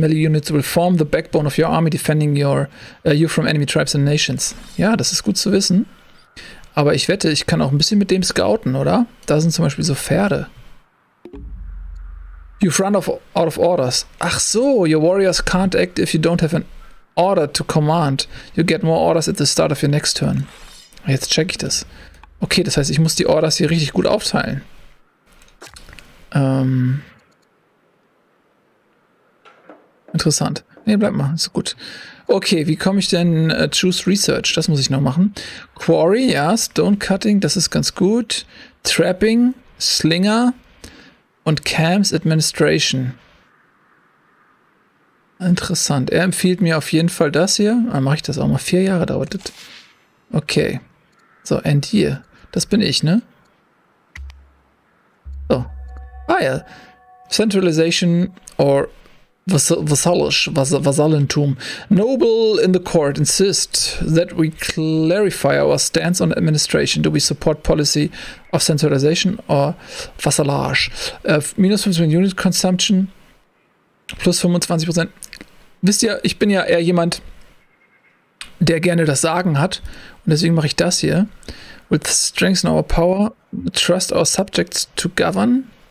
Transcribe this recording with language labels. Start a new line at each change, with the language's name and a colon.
English: Melee units will form the backbone of your army, defending your you from enemy tribes and nations.
German: Ja, das ist gut zu wissen. Aber ich wette, ich kann auch ein bisschen mit dem scouten, oder? Da sind zum Beispiel so Pferde.
English: You've run out of orders.
German: Ach so,
English: your warriors can't act if you don't have an order to command. You get more orders at the start of your next turn.
German: Jetzt check ich das. Okay, das heißt, ich muss die Orders hier richtig gut aufteilen. Interessant. Nee, bleib mal, ist gut. Okay, wie komme ich denn
English: choose research?
German: Das muss ich noch machen. Quarry, ja, stone cutting, das ist ganz gut. Trapping, Slinger. Und Camps Administration. Interessant. Er empfiehlt mir auf jeden Fall das hier. Dann mache ich das auch mal. 4 Jahre dauert das. Okay. So,
English: and here.
German: Das bin ich, ne? So. Ah ja. Centralization or Vasallentum.
English: Noble in the court insist that we clarify our stance on administration. Do we support policy of centralization or vassalage? Minus 15 unit consumption plus 25%.
German: Wisst ihr, ich bin ja eher jemand, der gerne das Sagen hat. Und deswegen mache ich das hier.
English: With strength in our power, trust our subjects to govern.